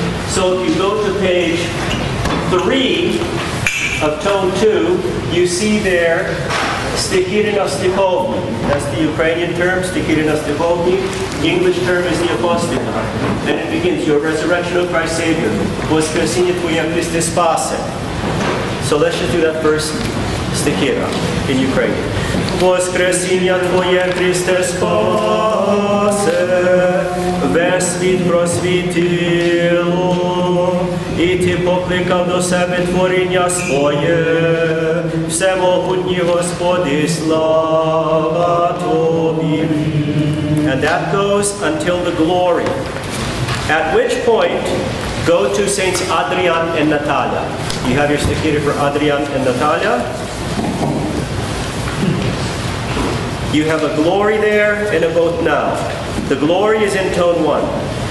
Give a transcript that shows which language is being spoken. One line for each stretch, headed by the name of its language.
English: So if you go to page 3 of tone 2, you see there stikirinostikovni. That's the Ukrainian term, stikirinostikovni. English term is the apostila. Then it begins, your resurrection of Christ Savior.
Ukrainian: Voskresenie tvoje Christe spase.
English: So let's just do that first stikira in Ukrainian.
Ukrainian: Воскресіння Твоє, Христе, спасе, Весвіт просвітило, і Ти покликав до себе творіння своє, всемогутній Господи, слава Тобі.
English: And that goes until the glory. At which point, go to Saints Adrian and Natalia. You have your stikira for Adrian and Natalia. You have a glory there and a both now. The glory is in tone 1.